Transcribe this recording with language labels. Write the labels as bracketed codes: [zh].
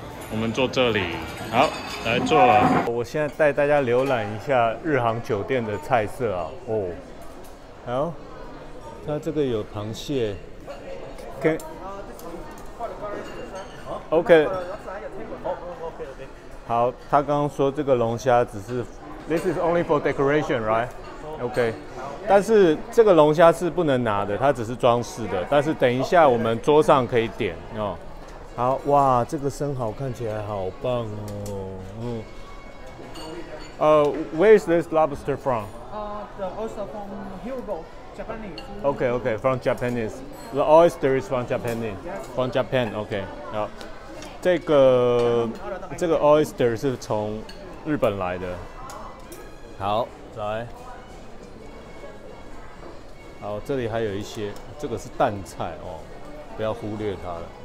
[zh] 我们坐这里，好，来坐了。我现在带大家浏览一下日航酒店的菜色啊。哦，好，它这个有螃蟹。Okay. [en] Okay. [zh] 好，他刚刚说这个龙虾只是。 [en] This is only for decoration, right? OK. [zh] 但是这个龙虾是不能拿的，它只是装饰的。但是等一下我们桌上可以点哦。好，哇，这个生蚝看起来好棒哦。嗯。 [en] Where is this lobster from? The oyster from Hyogo, Japanese. Okay, from Japanese. The oyster is from Japanese. From Japan, okay. [zh] 好，这个 oyster 是从日本来的。好，来，好，这里还有一些，这个是蛋菜哦，不要忽略它了。